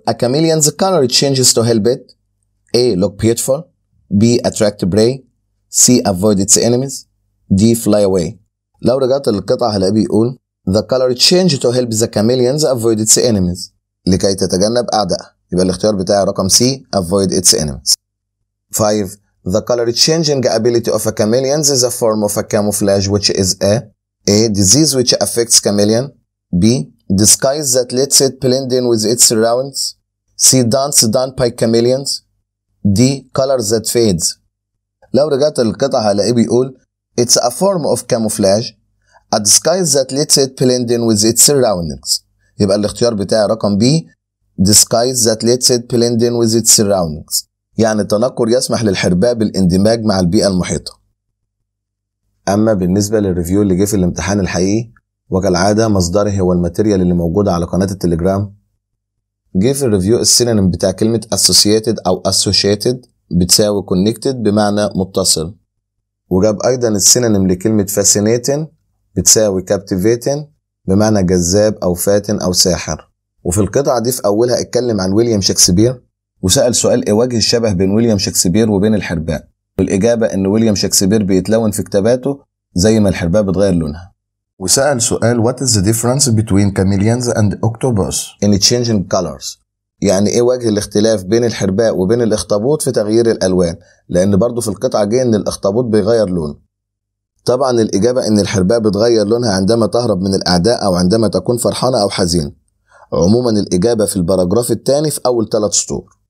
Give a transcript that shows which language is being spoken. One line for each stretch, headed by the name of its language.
English: A chameleon's color changes to help it A. Look beautiful. B. Attract prey. C. Avoid its enemies. D. Fly away.
Arabic: لو رجعت للقطعة هلاقيه بيقول
English: The color change to help the chameleons avoid its enemies
Arabic: لكي تتجنب أعدائها. يبقى الاختيار بتاعي رقم C
English: Avoid its enemies. 5. The color changing ability of a chameleon is a form of a camouflage which is A. Disease which affects chameleon. B. Disguise that lets it blend in with its surroundings. C. Dance done by chameleons. D. Color that fades.
Arabic: لو رجعت للقطعة هلاقيه بيقول
English: It's a form of camouflage, a disguise that lets it blend in with its surroundings.
Arabic: يبقى الاختيار بتاعي رقم B,
English: disguise that lets it blend in with its surroundings.
Arabic: يعني التنكر يسمح للحرباء بالاندماج مع البيئة المحيطة. أما بالنسبة للريفيو اللي جه في الامتحان الحقيقي، وكالعادة مصدره هو الماتيريال اللي موجودة على قناة التليجرام، جه في الريفيو السينونيم بتاع كلمة associated أو associated بتساوي connected بمعنى متصل. وجاب أيضا السينونيم لكلمة fascinating بتساوي captivating بمعنى جذاب أو فاتن أو ساحر. وفي القطعة دي في أولها اتكلم عن ويليام شكسبير وسأل سؤال إيه وجه الشبه بين ويليام شكسبير وبين الحرباء، والإجابة إن ويليام شكسبير بيتلون في كتاباته زي ما الحرباء بتغير لونها. وسأل سؤال
English: What is the difference between chameleons and octopus in changing colors؟
Arabic: يعني ايه وجه الاختلاف بين الحرباء وبين الاخطبوط في تغيير الالوان، لان برضو في القطعة جه ان الاخطبوط بيغير لونه. طبعا الاجابة ان الحرباء بتغير لونها عندما تهرب من الاعداء او عندما تكون فرحانة او حزين. عموما الاجابة في الباراجراف الثاني في اول 3 سطور.